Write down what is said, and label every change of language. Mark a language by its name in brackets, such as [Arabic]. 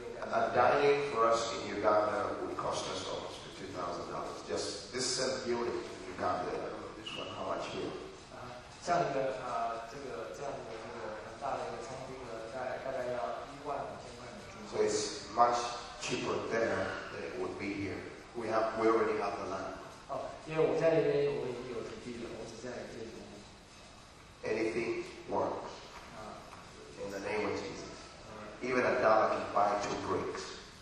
[English] A dining for us in Uganda would cost us almost $2,000. Just this same building in Uganda, this one, how much here? [Chinese] 像一个这样的一个很大的一个餐厅呢，大概要15,000美金。 [English] So it's much cheaper there than it would be here. We already have the land. [Chinese] 因为我在那边我已经有土地了，我只在这边。 [English] Anything works. In the name of Jesus. Even a dollar can buy 2 bricks.